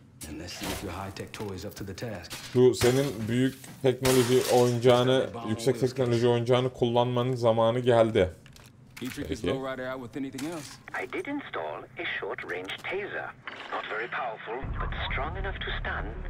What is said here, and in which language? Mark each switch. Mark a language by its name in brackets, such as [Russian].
[English] And let's see if your high-tech toys up to the task. [Turkish] Şu senin büyük teknoloji oyuncağını, yüksek teknoloji oyuncağını kullanmanın zamanı geldi. [English] He tricked his lowrider out with anything else. I did install a short-range taser. Not very powerful, but strong enough to stun.